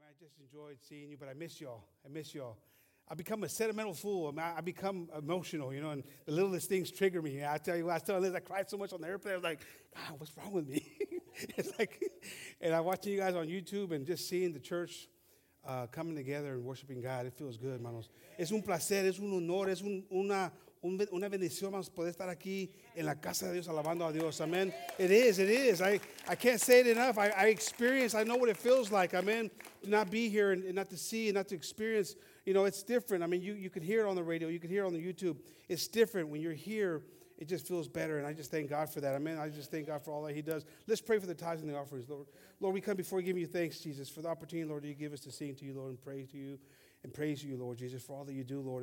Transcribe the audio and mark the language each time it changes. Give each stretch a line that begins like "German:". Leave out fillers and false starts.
English: just enjoyed seeing you, but I miss y'all. I miss y'all. I become a sentimental fool. I become emotional, you know, and the littlest things trigger me. I tell you, I tell Liz, I cried so much on the airplane. I was like, God, what's wrong with me? It's like, and I'm watching you guys on YouTube and just seeing the church coming together and worshiping God. It feels good,
Spanish: hermanos. Es un placer, es un honor, es una bendición, hermanos, poder estar aquí en la casa de Dios, alabando a Dios.
English: Amen. It is. I can't say it enough. I experience, I know what it feels like. Amen. To not be here and not to see and not to experience. You know, it's different. I mean, you can hear it on the radio. You can hear it on the YouTube. It's different. When you're here, it just feels better. And I just thank God for that. Amen. I just thank God for all that he does. Let's pray for the tithes and the offerings, Lord. Lord, we come before you, giving you thanks, Jesus, for the opportunity, Lord, you give us to sing to you, Lord, and pray to you and praise you, Lord Jesus, for all that you do, Lord.